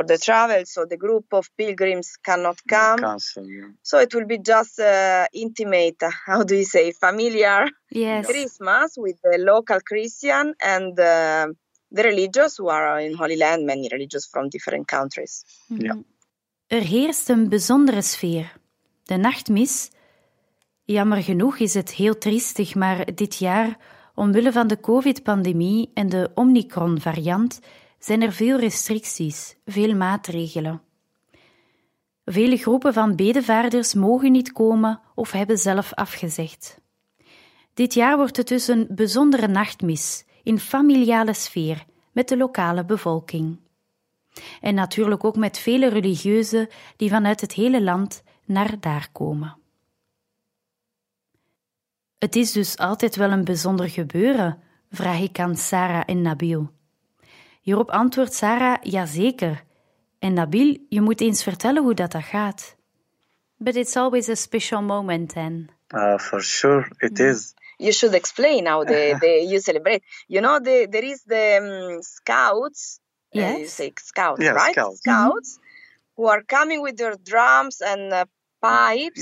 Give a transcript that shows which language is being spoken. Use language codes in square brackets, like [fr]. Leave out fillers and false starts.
[en] for the travel, so the group of pilgrims cannot come. So it will be just intimate, how do you say, familiar, yes. Christmas with the local Christian and the religious who are in Holy Land, many religious from different countries. Mm-hmm. Yeah. [nl] Er heerst een bijzondere sfeer. De nachtmis, jammer genoeg is het heel triestig, maar dit jaar, omwille van de COVID-pandemie en de Omicron-variant, zijn er veel restricties, veel maatregelen. Vele groepen van bedevaarders mogen niet komen of hebben zelf afgezegd. Dit jaar wordt het dus een bijzondere nachtmis, in familiale sfeer, met de lokale bevolking. En natuurlijk ook met vele religieuzen die vanuit het hele land naar daar komen. Het is dus altijd wel een bijzonder gebeuren, vraag ik aan Sarah en Nabil. Hierop antwoordt Sarah, ja zeker. En Nabil, je moet eens vertellen hoe dat gaat. [en] But it's always a special moment then. For sure, it is. You should explain how the you celebrate. You know, there is the scouts. Yes. You say scouts, yeah, right? Scouts. Mm-hmm. Who are coming with their drums and pipes.